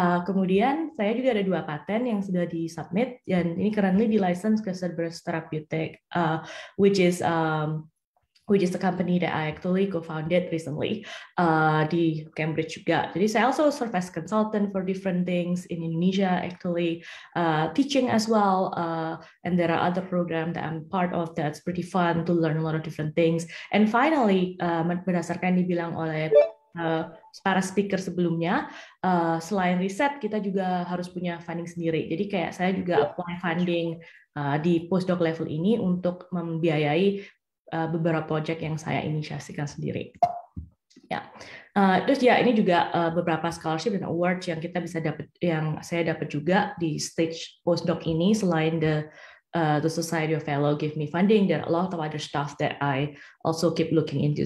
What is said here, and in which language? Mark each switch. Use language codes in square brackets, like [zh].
[id] Kemudian saya juga ada 2 patent yang sudah di-submit, dan ini currently di-license ke Cerberus Therapeutic, [en] which is the company that I actually co-founded recently [id] di Cambridge juga. Jadi saya [en] also serve as consultant for different things in Indonesia actually, teaching as well, and there are other program that I'm part of that's pretty fun to learn a lot of different things. And finally, [id] berdasarkan dibilang oleh para speaker sebelumnya, selain riset, kita juga harus punya funding sendiri. Jadi kayak saya juga apply funding di postdoc level ini untuk membiayai beberapa project yang saya inisiasikan sendiri. Ya, terus ya ini juga beberapa scholarship dan awards yang kita bisa dapat, yang saya dapat juga di stage postdoc ini. Selain [en] the Society of Fellow give me funding, there are a lot of other stuff that I also keep looking into.